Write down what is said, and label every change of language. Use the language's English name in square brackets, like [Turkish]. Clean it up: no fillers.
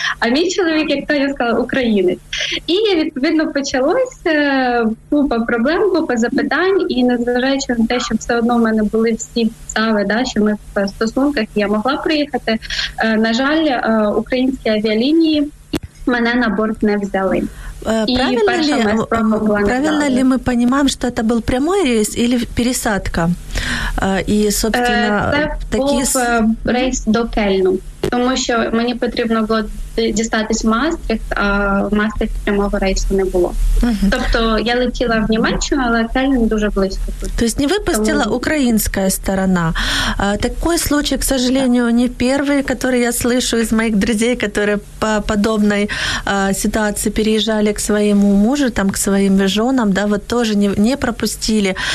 [Ukrainian] А мій чоловік, як то я сказала, українець. І, відповідно, почалося купа проблем, купа запитань. І, незважаючи на те, що все одно в мене були всі підстави, да, що ми в стосунках, я могла приїхати. На жаль, українські авіалінії мене на борт не взяли. [Russian] Правильно ли мы понимаем, что это был прямой рейс или пересадка? И, собственно, [Ukrainian] рейс до Кельну. Тому що мені потрібно було дістатись в Маастрихт, а в Маастрихт прямого рейсу не було. Uh-huh. Тобто я летіла в Німеччину, але Кельн дуже близько. Тобто не випустила українська сторона. Такий случай, [Russian] к сожалению, [Ukrainian] не перший, який я слышу з моїх друзів, які по подобній ситуації переїжджали к своєму мужу, там, к своїм жінам, да, вот теж не пропустили.